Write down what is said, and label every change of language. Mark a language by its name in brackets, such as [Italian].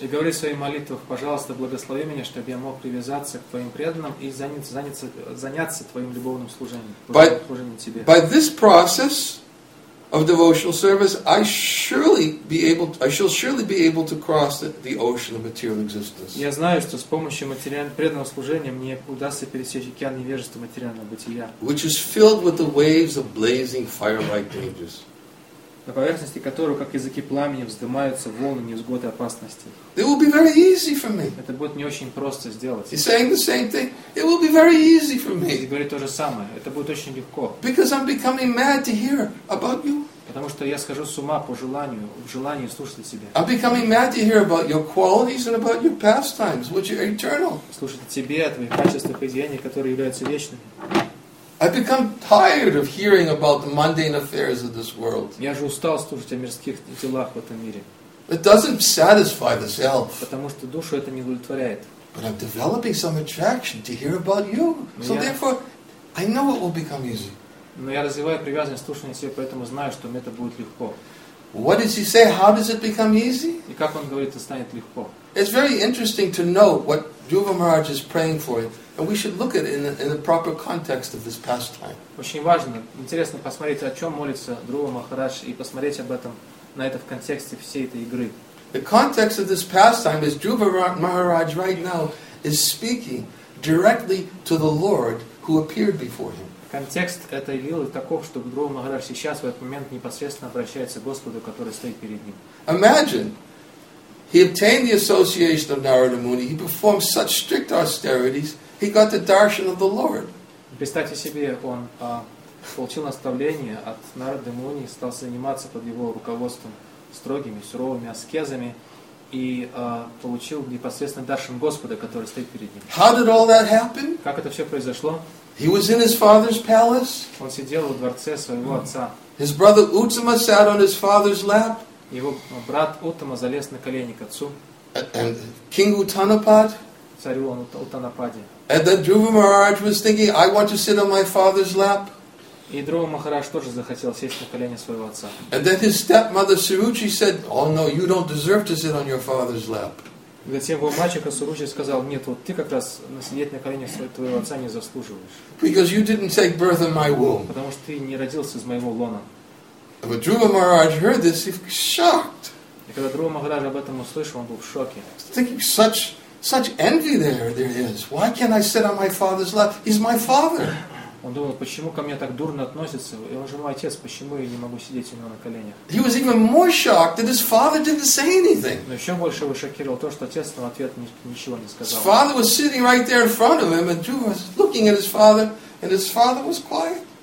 [Russian] И говорит в своих молитвах, пожалуйста, благослови меня, чтобы я мог привязаться к твоим преданным и заняться твоим любовным служением. [English] By this process of devotional service, I shall surely be able to cross the ocean of material existence. [Russian] Я знаю, что с помощью материального преданного служения мне удастся пересечь океан невежества материального бытия. [English] Which is filled with the waves of blazing fire-like dangers. [Russian] На поверхности которого, как языки пламени, вздымаются волны невзгод и опасности. [English] It will be very easy for me. [Russian] Это будет не очень просто сделать. [English] He's saying the same thing. It will be very easy for me. [Russian] И говорит то же самое. Это будет очень легко. [English] Because I'm becoming mad to hear about you. [Russian] Потому что я схожу с ума по желанию, в желании слушать тебя. [English] I'm becoming mad to hear about your qualities and about your pastimes, which are eternal. [Russian] Слушать о тебе, о твоих качествах и деяниях, которые являются вечными. [English] I become tired of hearing about the mundane affairs of this world. [Russian] Я же устал слушать о мирских делах в этом мире. [English] It doesn't satisfy the self. [Russian] Потому что душу это не удовлетворяет. [English] But I'm developing some attraction to hear about you. So therefore, I know it will become easy. [Russian] Но я развиваю привязанность слушания себе, поэтому знаю, что мне это будет легко. [English] What does he say? How does it become easy? [Russian] И как он говорит, это станет легко. [English] It's very interesting to know what Dhruva Maharaj is praying for it. And we should look at it in the proper context of this pastime. [Russian] Очень важно, интересно посмотреть, о чем молится Друва Махарадж, и посмотреть об этом, на это в контексте всей этой игры. [English] The context of this pastime is Dhruva Maharaj right now is speaking directly to the Lord who appeared before him. [Russian] Контекст этой лилы таков, что Друва Махарадж сейчас, в этот момент, непосредственно обращается к Господу, который стоит перед ним. [English] Imagine! He obtained the association of Narada Muni, he performed such strict austerities, he got the darshan of the Lord. [Russian] Представьте себе, он получил наставление от Нарады Муни, стал заниматься под его руководством строгими, суровыми аскезами и получил непосредственно даршан Господа, который стоит перед ним. [English] How did all that happen? [Russian] Как это все произошло? [English] He was in his father's palace. [Russian] Он сидел в дворце своего отца. [English] His brother Uttama sat on his father's lap. [Russian] Его брат Уттама залез на колени к отцу. [English] And King Uttanapad. [Russian] Царю он Уттанападе. [English] And then Dhruva Maharaj was thinking, I want to sit on my father's lap. [Russian] И Друва Махарадж тоже захотел сесть на колени своего отца. [English] And then his stepmother Suruchi said, oh no, you don't deserve to sit on your father's lap. [Russian] Затем его мачеха Суручи сказал, нет, вот ты как раз сидеть на коленях твоего отца не заслуживаешь. [English] Because you didn't take birth in my womb. [Russian] Потому что ты не родился из моего лона. [English] But Dhruva Maharaj heard this, he was shocked. [Russian] И когда Друва Махарадж об этом услышал, он был в шоке. [English] Thinking such envy there is. Why can't I sit on my father's lap? He's my father. [Russian] Он думал, почему ко мне так дурно относятся? И он же мой отец, почему я не могу сидеть у него на коленях? [English] He was even more shocked that his father didn't say anything. [Russian] Но еще больше его шокировало то, что отец в ответ ничего не сказал. [English] His father was sitting right there in front of him, and Dhruva was looking at his father, and his father was quiet.